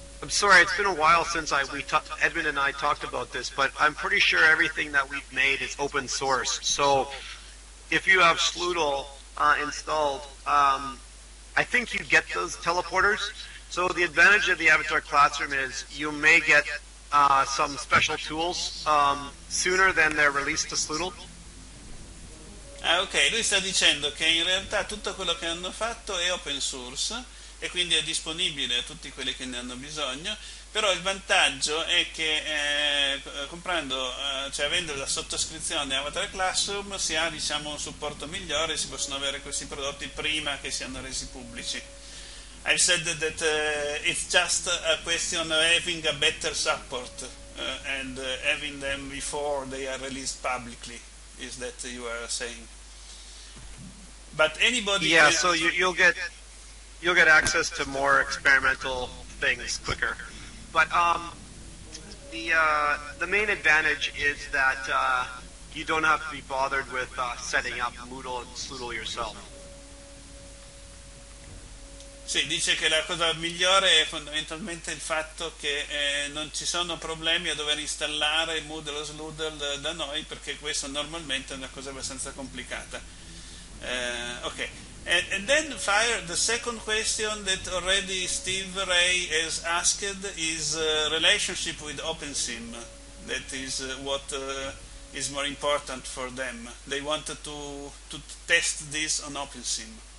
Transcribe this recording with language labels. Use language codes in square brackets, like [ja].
[en] I'm sorry, it's been a while since Edmund and I talked about this, but I'm pretty sure everything that we've made is open source, so if you have Sloodle installed, I think you get those teleporters. So the advantage of the Avatar Classroom is you may get some special tools sooner than they're released to Sloodle. [it] Ah, okay. Lui sta dicendo che in realtà tutto quello che hanno fatto è open source, e quindi è disponibile a tutti quelli che ne hanno bisogno. Però il vantaggio è che comprando, cioè avendo la sottoscrizione Avatar Classroom, si ha, diciamo, un supporto migliore, si possono avere questi prodotti prima che siano resi pubblici. [en] I've said that it's just a question of having a better support and having them before they are released publicly, is that you are saying. But anybody... Yeah, so you'll get access to more experimental things quicker. But the main advantage is that you don't have to be bothered with setting up Moodle and Sloodle yourself. [it] Sì, dice che la cosa migliore è fondamentalmente il fatto che non ci sono problemi a dover installare Moodle o Sloodle da noi, perché questo normalmente è una cosa abbastanza complicata. Ok. [en] And then, Fire, the second question that already Steve Ray has asked is relationship with OpenSim. That is what is more important for them. They wanted to test this on OpenSim.